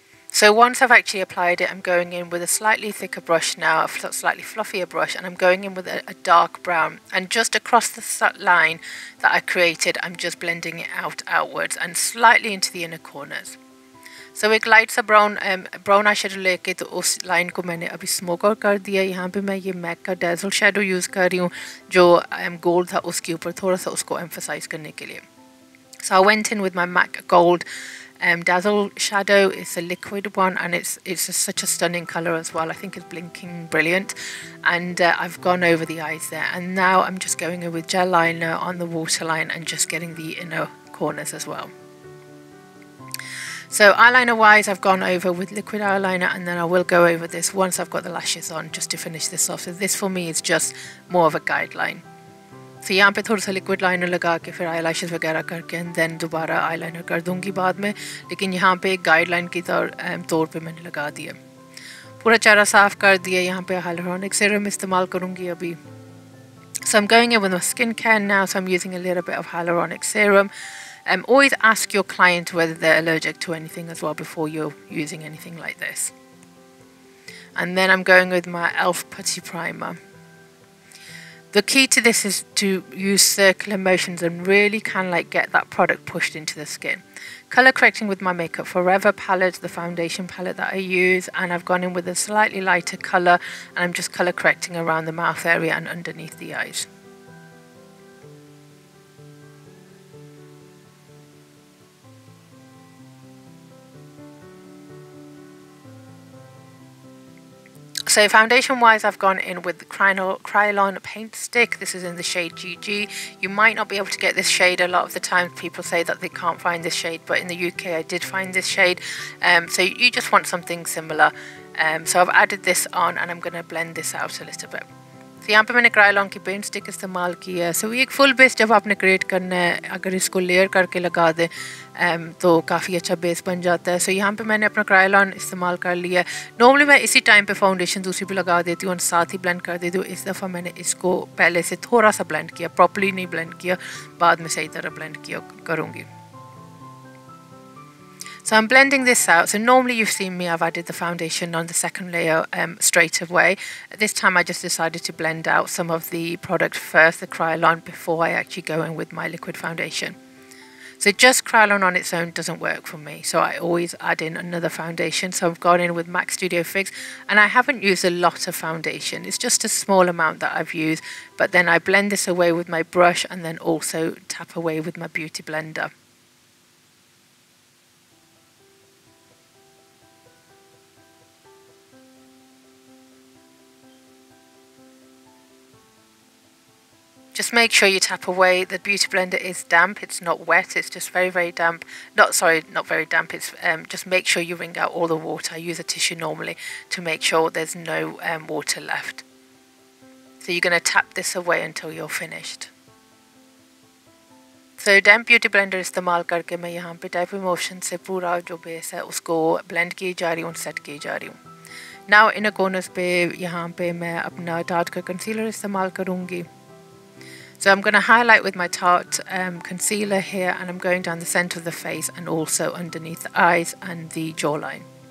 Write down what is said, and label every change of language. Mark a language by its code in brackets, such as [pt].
[en] So once I've actually applied it, I'm going in with a slightly thicker brush now, a slightly fluffier brush, and I'm going in with a dark brown. And just across the line that I created, I'm just blending it outwards and slightly into the inner corners. So it glides a brown eyeshadow [ur] لے کے تو اس line کو میں نے ابھی smoke out کر دیا. یہاں پہ میں یہ MAC کا dazzle shadow use کر رہی ہوں، جو gold تھا اسکے اوپر تھوڑا سا اسکو emphasize کرنے کے لیے. [en] So I went in with my MAC gold dazzle shadow. It's a liquid one, and it's such a stunning color as well. I think it's blinking brilliant, and I've gone over the eyes there, and now I'm just going in with gel liner on the waterline and just getting the inner corners as well. So eyeliner wise, I've gone over with liquid eyeliner, and then I will go over this once I've got the lashes on just to finish this off. So this for me is just more of a guideline. [ur] So یہاں پہ تھوڑا سا liquid liner لگا کے پھر eyelashes وغیرہ کرکے، and then دوبارہ eyeliner کر دوں گی بعد میں، لیکن یہاں پہ guideline کی طور پہ میں نے لگا دیا. پورا چہرہ صاف کر دیا، یہاں پہ hyaluronic serum استعمال کروں گی ابھی. [en] So I'm going in with my skincare now, so I'm using a little bit of hyaluronic serum. Always ask your client whether they're allergic to anything as well before you're using anything like this. And then I'm going with my e.l.f. putty primer. The key to this is to use circular motions and really kind of like get that product pushed into the skin. Color correcting with my Makeup Forever palette, the foundation palette that I use, and I've gone in with a slightly lighter color, and I'm just color correcting around the mouth area and underneath the eyes. So So foundation wise I've gone in with the Krylon paint stick. This is in the shade GG. You might not be able to get this shade. A lot of the time people say that they can't find this shade, but in the UK I did find this shade. So you just want something similar. So I've added this on and I'm going to blend this out a little bit. [ur] The یہاں پہ میں نے Krylon کی paint stick استعمال کی ہے. So ایک full base جب آپ نے create کرنا ہے، اگر اسکو layer کرکے لگا دے تو کافی اچھا base بن جاتا ہے. So یہاں پہ میں نے اپنا Krylon استعمال کر لیا. Normally میں اسی time پہ foundation دوسری بھی لگا دیتی ہوں اور ساتھ ہی blend کر دیتی ہوں. اس دفعہ میں نے اسکو پہلے سے تھوڑا سا blend کیا، properly نہیں blend کیا، بعد میں صحیح طرح blend کیا کروں گی. [en] So I'm blending this out. So normally you've seen me, I've added the foundation on the second layer straight away. This time I just decided to blend out some of the product first, the Krylon, before I actually go in with my liquid foundation. So just Krylon on its own doesn't work for me. So I always add in another foundation. So I've gone in with MAC Studio Fix and I haven't used a lot of foundation. It's just a small amount that I've used, but then I blend this away with my brush and then also tap away with my beauty blender. Just make sure you tap away. The beauty blender is damp, it's not wet, it's just very, very damp. It's just make sure you wring out all the water. I use a tissue normally to make sure there's no water left. So you're gonna tap this away until you're finished. [ur] So damp beauty blender استعمال کرکے میں یہاں پہ type emotion سے پورا جو base ہے اسکو blend کی جا رہی ہوں، set کی جا رہی ہوں. Now inner corners پہ یہاں پہ میں اپنا Tarte concealer استعمال کروں گی. [en] So I'm going to highlight with my Tarte concealer here and I'm going down the center of the face and also underneath the eyes and the jawline.